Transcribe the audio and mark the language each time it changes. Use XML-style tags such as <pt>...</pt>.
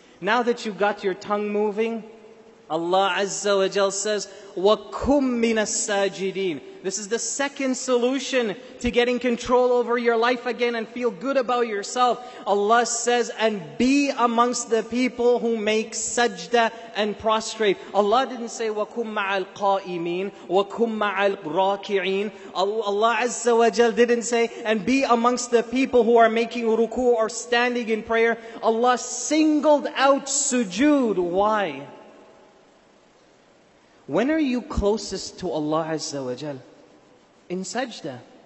<en>Now that you got your tongue moving, Allah Azza wa Jal says,</en> <ar>وَكُمْ مِنَ السَّاجِدِينَ.</ar> <en>This is the second solution to getting control over your life again and feel good about yourself. Allah says, and be amongst the people who make sajda and prostrate. Allah didn't say,</en> <ar>وَكُمْ مَعَ الْقَائِمِينَ وَكُمْ مَعَ الْرَاكِعِينَ.</ar> <en>Allah Azza wa Jal didn't say, and be amongst the people who are making ruku or standing in prayer. Allah singled out sujood. Why? When are you closest to Allah Azza wa Jal? In sajda.</en>